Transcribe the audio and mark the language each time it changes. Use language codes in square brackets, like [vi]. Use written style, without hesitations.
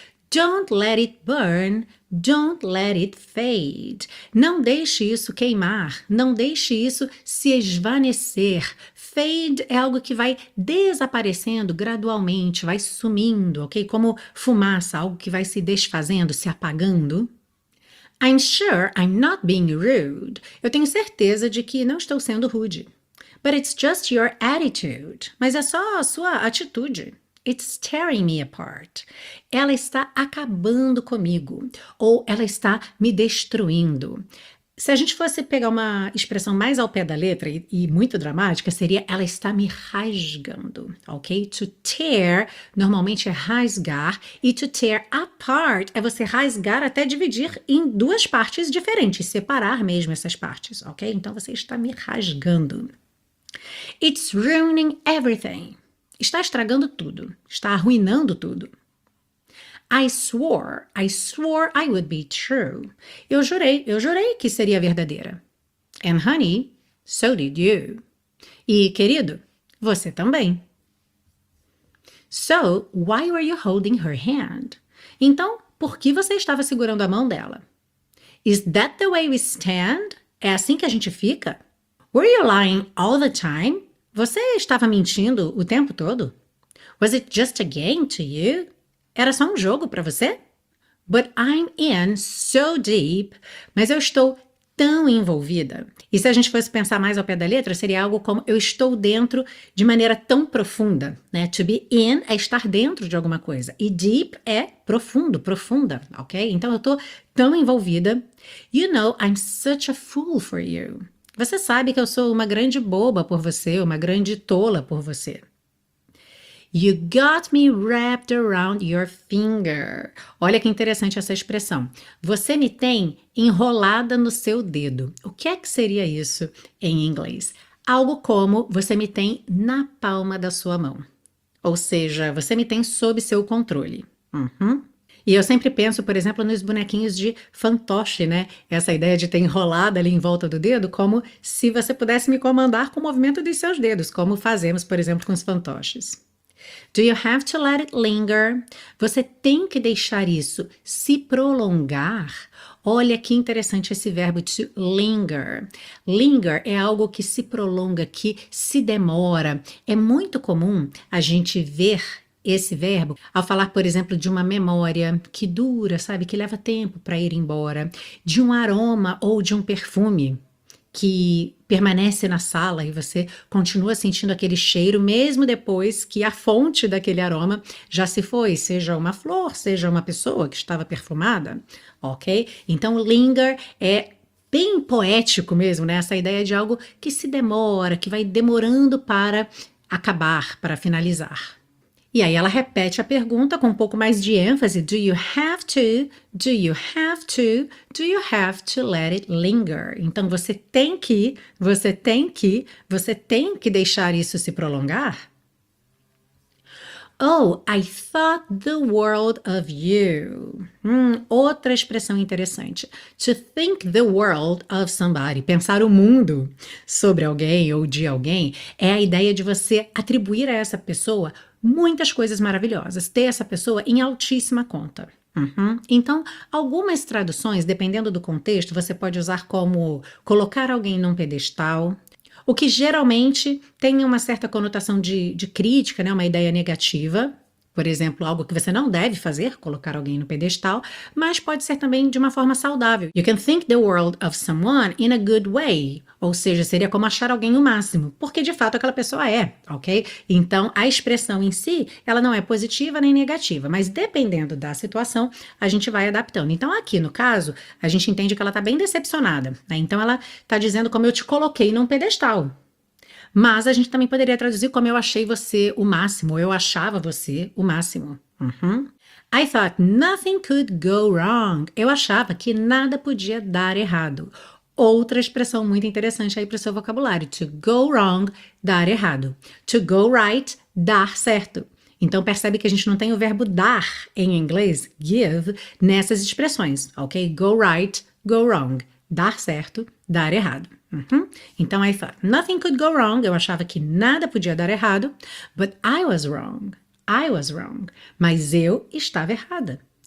[en] Don't let it burn. Don't let it fade. [pt] Não deixe isso queimar. Não deixe isso se esvanecer. Fade é algo que vai desaparecendo gradualmente, vai sumindo, ok? Como fumaça, algo que vai se desfazendo, se apagando. [en] I'm sure I'm not being rude. [pt] Eu tenho certeza de que não estou sendo rude. [en] But it's just your attitude. [pt] Mas é só a sua atitude. [en] It's tearing me apart. [pt] Ela está acabando comigo. Ou ela está me destruindo. Se a gente fosse pegar uma expressão mais ao pé da letra e muito dramática, seria ela está me rasgando, ok? To tear, normalmente é rasgar, e to tear apart é você rasgar até dividir em duas partes diferentes, separar mesmo essas partes, ok? Então você está me rasgando. [en] It's ruining everything. [pt] Está estragando tudo, está arruinando tudo. [en] I swore I would be true. [pt] Eu jurei que seria verdadeira. [en] And honey, so did you. [pt] E querido, você também. [en] So, why were you holding her hand? [pt] Então, por que você estava segurando a mão dela? [en] Is that the way we stand? [pt] É assim que a gente fica? [en] Were you lying all the time? [pt] Você estava mentindo o tempo todo? [en] Was it just a game to you? [pt] Era só um jogo para você? [en] But I'm in so deep. [pt] Mas eu estou tão envolvida. E se a gente fosse pensar mais ao pé da letra, seria algo como eu estou dentro de maneira tão profunda, né? To be in é estar dentro de alguma coisa. E deep é profundo, profunda, ok? Então, eu tô tão envolvida. [en] You know, I'm such a fool for you. [pt] Você sabe que eu sou uma grande boba por você, uma grande tola por você. [en] You got me wrapped around your finger. [pt] Olha que interessante essa expressão. Você me tem enrolada no seu dedo. O que é que seria isso em inglês? Algo como você me tem na palma da sua mão. Ou seja, você me tem sob seu controle. Uhum. E eu sempre penso, por exemplo, nos bonequinhos de fantoche, né? Essa ideia de ter enrolada ali em volta do dedo, como se você pudesse me comandar com o movimento dos seus dedos, como fazemos, por exemplo, com os fantoches. [en] Do you have to let it linger? [pt] Você tem que deixar isso se prolongar? Olha que interessante esse verbo to linger. Linger é algo que se prolonga, que se demora. É muito comum a gente ver esse verbo ao falar, por exemplo, de uma memória que dura, sabe, que leva tempo para ir embora, de um aroma ou de um perfume que permanece na sala e você continua sentindo aquele cheiro mesmo depois que a fonte daquele aroma já se foi, seja uma flor, seja uma pessoa que estava perfumada, ok? Então, linger é bem poético mesmo, né? Essa ideia de algo que se demora, que vai demorando para acabar, para finalizar. E aí ela repete a pergunta com um pouco mais de ênfase. [en] Do you have to, do you have to, do you have to let it linger? [pt] Então você tem que, você tem que, você tem que deixar isso se prolongar? [en] Oh, I thought the world of you. [pt] Outra expressão interessante. [en] To think the world of somebody. [pt] Pensar o mundo sobre alguém ou de alguém é a ideia de você atribuir a essa pessoa muitas coisas maravilhosas, ter essa pessoa em altíssima conta. Uhum. Então, algumas traduções, dependendo do contexto, você pode usar como colocar alguém num pedestal, o que geralmente tem uma certa conotação de crítica, né? Uma ideia negativa, por exemplo, algo que você não deve fazer, colocar alguém no pedestal, mas pode ser também de uma forma saudável. [en] You can think the world of someone in a good way. [pt] Ou seja, seria como achar alguém o máximo, porque de fato aquela pessoa é, ok? Então, a expressão em si, ela não é positiva nem negativa, mas dependendo da situação, a gente vai adaptando. Então, aqui no caso, a gente entende que ela está bem decepcionada, né? Então, ela está dizendo como eu te coloquei num pedestal. Mas a gente também poderia traduzir como eu achei você o máximo, ou eu achava você o máximo. Uhum. I thought nothing could go wrong. Eu achava que nada podia dar errado. Outra expressão muito interessante aí para o seu vocabulário. To go wrong, dar errado. To go right, dar certo. Então percebe que a gente não tem o verbo dar em inglês, give, nessas expressões, ok? Go right, go wrong. Dar certo, dar errado. Uhum. Então, [en] I thought, nothing could go wrong, [pt] eu achava que nada podia dar errado, [en] but I was wrong, [pt] mas eu estava errada.